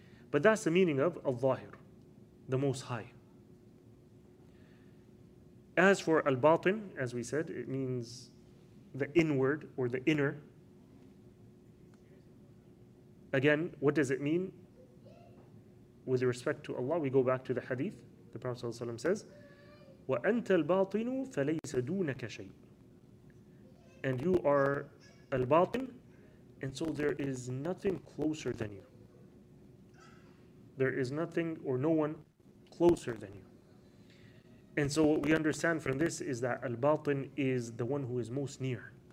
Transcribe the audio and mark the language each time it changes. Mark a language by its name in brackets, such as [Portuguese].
[English] But that's the meaning of al-dhahir, the most high. As for al-batin, as we said, it means the inward or the inner. Again, what does it mean with respect to Allah? We go back to the hadith. The Prophet ﷺ says, [Arabic] وَأَنْتَ الْبَاطِنُ فَلَيْسَ دُونَكَ شَيْءٍ. [English] And you are al-batin, and so there is nothing closer than you. There is nothing or no one closer than you. And so what we understand from this is that al-batin is the one who is most near.